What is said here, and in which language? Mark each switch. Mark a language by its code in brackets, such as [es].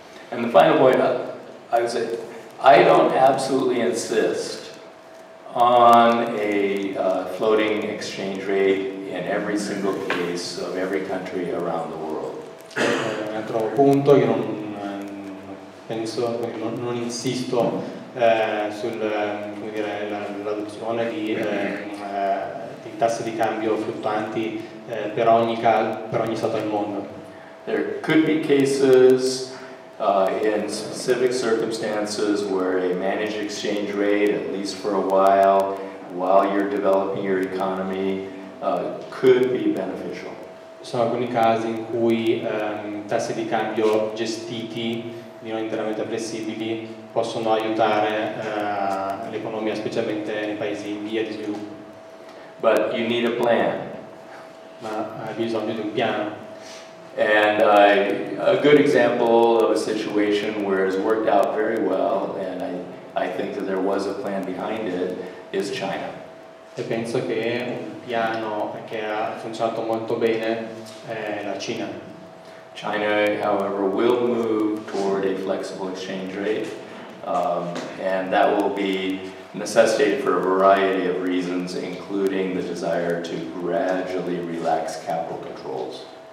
[en] And the final point, I would say, I don't absolutely insist on a floating exchange rate in every single case of every country around the world. [it] Un altro punto, io non insisto l'adozione di tasse di cambio fluttuanti per ogni stato del mondo. [en] There could be cases in specific circumstances where a managed exchange rate, at least for a while you're developing your economy, could be beneficial. [it] Sono alcuni casi in cui tasse di cambio gestiti di non interamente flessibili possono aiutare l'economia, specialmente nei paesi in via di sviluppo. [en] But you need a plan. [it] Ma hai bisogno di un piano. [en] And a good example of a situation where it's worked out very well, and I think that there was a plan behind it, is China. [it] E penso che un piano che ha funzionato molto bene è la Cina. [en] China, however, will move toward a flexible exchange rate, and that will be necessitated for a variety of reasons, including the desire to gradually relax capital controls.